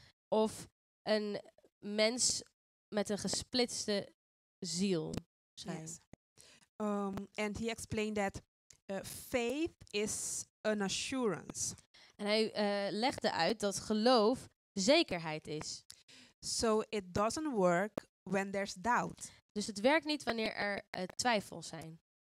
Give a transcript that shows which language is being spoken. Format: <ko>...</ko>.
<nl>Of een mens met een gesplitste ziel zijn.</nl> <en>Yes. And he explained that faith is an assurance.</en> <nl>En hij legde uit dat geloof zekerheid is.</nl> <en>So it doesn't work when there's doubt.</en> <nl>Dus het werkt niet wanneer er twijfels zijn.</nl>